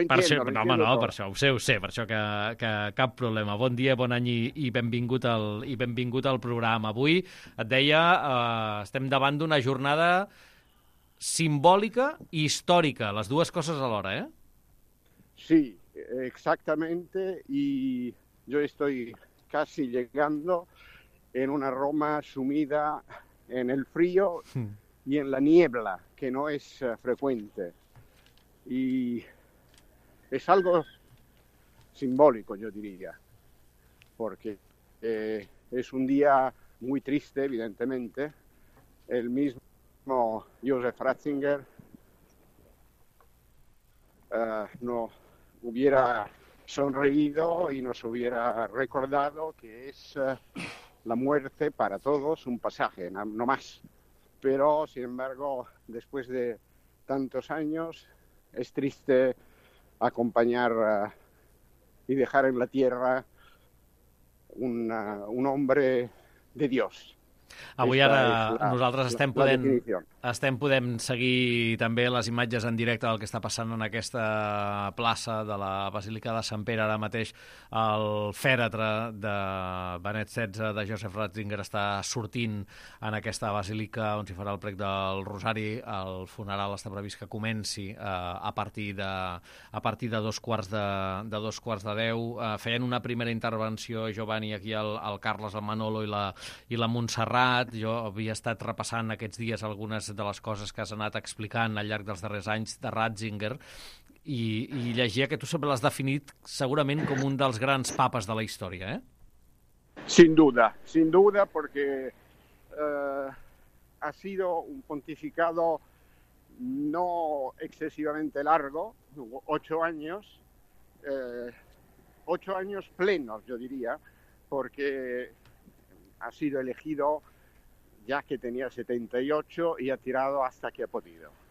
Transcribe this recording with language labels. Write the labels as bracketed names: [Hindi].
[Catalan] Per això, no, home, no, per això, ho sé, per això que cap problema. Bon dia, bon any i benvingut al programa. Avui, et deia, estem davant d'una jornada simbòlica i històrica, les dues coses alhora, [Spanish] Sí, exactamente, y yo estoy casi llegando en una Roma sumida en el frío y en la niebla, que no es frecuente. Y es algo simbólico, yo diría, porque es un día muy triste, evidentemente. El mismo Josef Ratzinger no hubiera sonreído y nos hubiera recordado que es la muerte para todos un pasaje, no más. Pero, sin embargo, después de tantos años, es triste acompañar y dejar en la tierra un hombre de Dios. [Catalan] Avui ara nosaltres estem podent seguir també les imatges en directe del que està passant en aquesta plaça de la Basílica de Sant Pere. Ara mateix el fèretre de Benet XVI, de Josef Ratzinger, està sortint en aquesta basílica on s'hi farà el prec del Rosari. El funeral està previst que comenci a partir de dos quarts de deu. Feien una primera intervenció, Giovanni, aquí el Carles, el Manolo i la Montserrat. Jo havia estat repassant aquests dies algunes de les coses que has anat explicant al llarg dels darrers anys de Ratzinger i llegia que tu sempre l'has definit segurament com un dels grans papes de la història, [Spanish] Sin duda, porque ha sido un pontificado no excesivamente largo, 8 años, 8 años plenos, yo diría, porque ha sido elegido ya que tenía 78 y ha tirado hasta que ha podido.